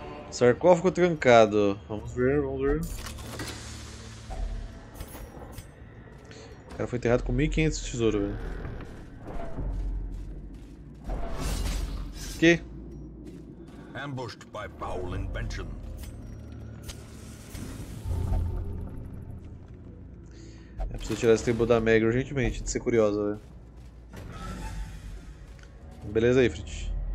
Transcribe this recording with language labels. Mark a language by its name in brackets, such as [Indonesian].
[Portuguese] Sarcófago trancado. Vamos ver. O cara foi enterrado com 1500 tesouro, velho. Que? [English] Ambushed by foul invention. [Portuguese] Eu preciso tirar esse tribo da Meg urgentemente, de ser curiosa, velho. Beleza aí, Frit.